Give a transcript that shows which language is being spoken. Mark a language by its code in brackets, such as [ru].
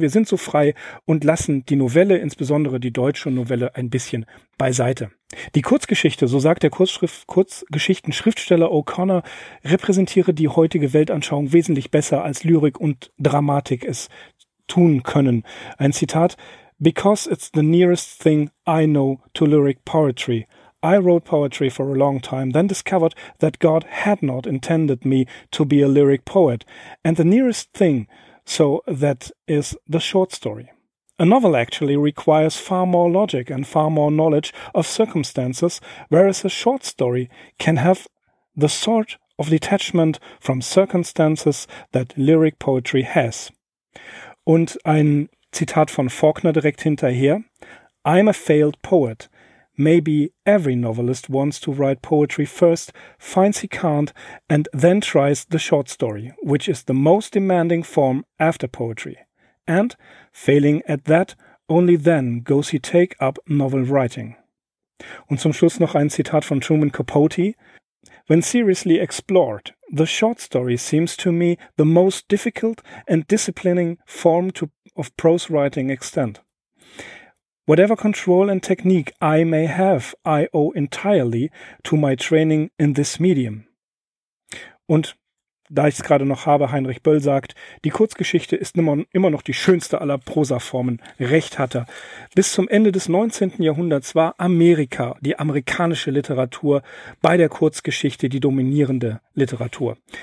[de] Wir sind so frei und lassen die Novelle, insbesondere die deutsche Novelle, ein bisschen beiseite. Die Kurzgeschichte, so sagt der Kurzgeschichten-Schriftsteller O'Connor, repräsentiere die heutige Weltanschauung wesentlich besser als Lyrik und Dramatik es tun können. Ein Zitat: [en] Because it's the nearest thing I know to lyric poetry. I wrote poetry for a long time, then discovered that God had not intended me to be a lyric poet. And the nearest thing, so that is the short story. A novel actually requires far more logic and far more knowledge of circumstances, whereas a short story can have the sort of detachment from circumstances that lyric poetry has. [de] Und ein Zitat von Faulkner direkt hinterher: [en] I'm a failed poet. Maybe every novelist wants to write poetry first, finds he can't, and then tries the short story, which is the most demanding form after poetry. And, failing at that, only then goes he take up novel writing. [de] Und zum Schluss noch ein Zitat von Truman Capote: [en] When seriously explored, the short story seems to me the most difficult and disciplining form of prose writing extent. Whatever control and technique I may have, I owe entirely to my training in this medium. [de] Und da ich es gerade noch habe, Heinrich Böll sagt, die Kurzgeschichte ist immer noch die schönste aller Prosaformen. Recht hat er. Bis zum Ende des 19. Jahrhunderts war Amerika, die amerikanische Literatur, bei der Kurzgeschichte die dominierende Literatur.